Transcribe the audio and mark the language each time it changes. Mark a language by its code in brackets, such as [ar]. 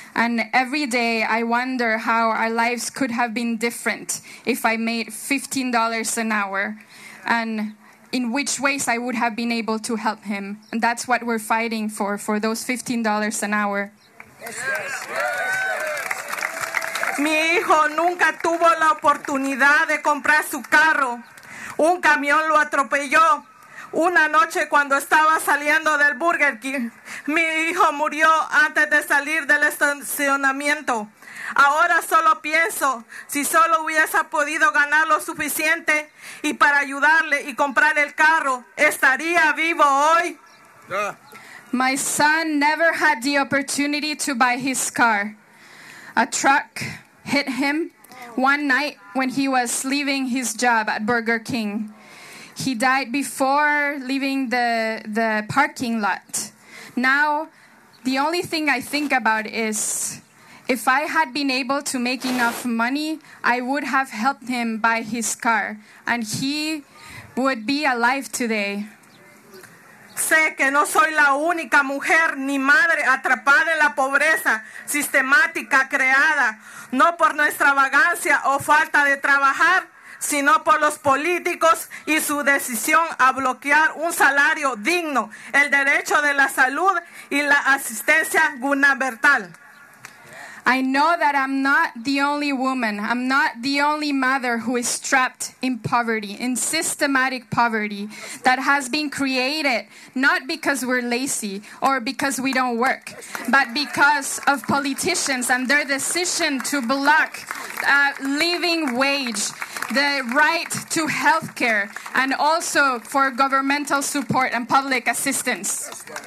[en] And every day I wonder how our lives could have been different if I made $15 an hour. And in which ways I would have been able to help him. And that's what we're fighting for those $15 an hour. [es] Mi hijo nunca tuvo la oportunidad de comprar su carro. Un camión lo atropelló. Una noche cuando estaba saliendo del Burger King, mi hijo murió antes de salir del estacionamiento. Ahora solo pienso, si solo hubiese podido ganar lo suficiente y para ayudarle y comprar el carro, ¿estaría vivo hoy? [en] My son never had the opportunity to buy his car. A truck hit him. one night when he was leaving his job at Burger King. He died before leaving the parking lot. Now, the only thing I think about is, if I had been able to make enough money, I would have helped him buy his car, and he would be alive today. [es] Sé que no soy la única mujer ni madre atrapada en la pobreza sistemática creada, no por nuestra vagancia o falta de trabajar, sino por los políticos y su decisión a bloquear un salario digno, el derecho de la salud y la asistencia gubernamental. [en] I know that I'm not the only woman, I'm not the only mother who is trapped in poverty, in systematic poverty that has been created not because we're lazy or because we don't work, but because of politicians and their decision to block a living wage, the right to health care, and also for governmental support and public assistance.